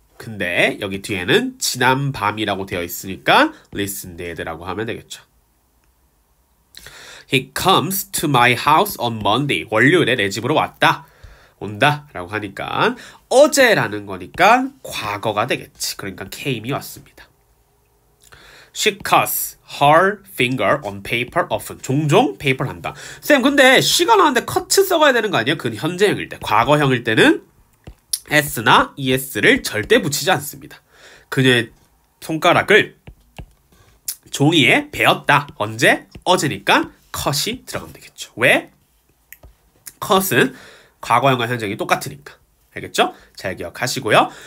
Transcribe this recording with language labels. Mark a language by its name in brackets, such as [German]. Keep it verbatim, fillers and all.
[Korean] 근데 여기 뒤에는 지난 밤이라고 되어 있으니까 [English] listen dead [Korean] 라고 하면 되겠죠. [English] He comes to my house on Monday. [Korean] 월요일에 내 집으로 왔다. 온다. 라고 하니까 어제라는 거니까 과거가 되겠지. 그러니까 came이 왔습니다. [English] She cuts her finger on paper often. [Korean] 종종 페이퍼를 한다. 쌤, 근데 she가 나왔는데 cut 써가야 되는 거 아니야? 그건 현재형일 때. 과거형일 때는 s나 es를 절대 붙이지 않습니다. 그녀의 손가락을 종이에 베었다. 언제? 어제니까 컷이 들어가면 되겠죠. 왜? 컷은 과거형과 현재형이 똑같으니까. 알겠죠? 잘 기억하시고요.